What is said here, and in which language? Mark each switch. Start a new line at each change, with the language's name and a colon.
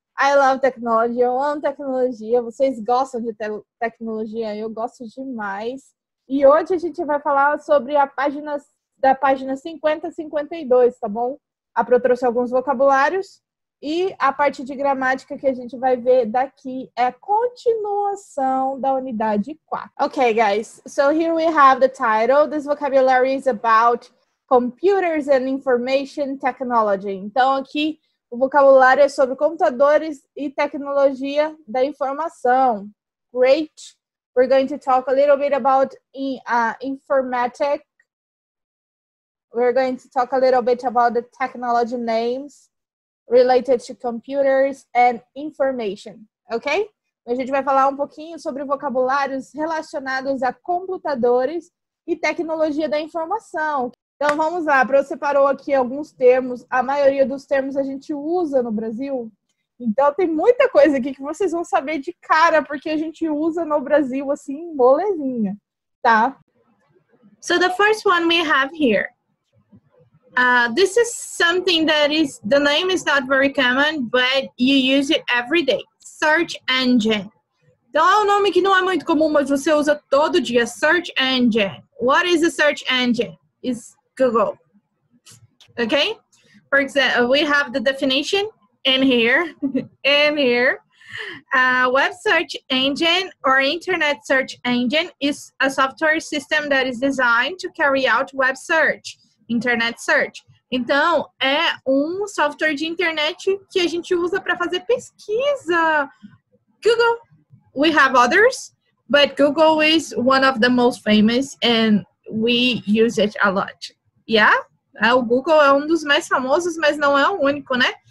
English: I love technology,
Portuguese: eu amo tecnologia, vocês gostam de tecnologia, eu gosto demais. E hoje a gente vai falar sobre a página, da página 50 a 52, tá bom? A Pro trouxe alguns vocabulários e a parte de gramática que a gente vai ver daqui é continuação da unidade 4.
English: Okay, guys, so here we have the title. This vocabulary is about computers and information technology.
Portuguese: Então aqui o vocabulário é sobre computadores e tecnologia da informação.
English: Great. We're going to talk a little bit about informatic. We're going to talk a little bit about the technology names related to computers and information. Ok?
Portuguese: A gente vai falar um pouquinho sobre vocabulários relacionados a computadores e tecnologia da informação. Então, vamos lá. Pro separou aqui alguns termos. A maioria dos termos a gente usa no Brasil. Então, tem muita coisa aqui que vocês vão saber de cara, porque a gente usa no Brasil, assim, molezinha, tá?
English: So, the first one we have here. This is something that is, the name is not very common, but you use it every day. Search engine.
Portuguese: Então, é um nome que não é muito comum, mas você usa todo dia.
English: Search engine. What is a search engine? It's Google. Okay? For example, we have the definition in here. In here. Web search engine or internet search engine is a software system that is designed to carry out web search, internet search.
Portuguese: Então, é um software de internet que a gente usa para fazer pesquisa.
English: Google. We have others, but Google is one of the most famous and we use it a lot.
Portuguese: Yeah, o Google é um dos mais famosos, mas não é o único, né?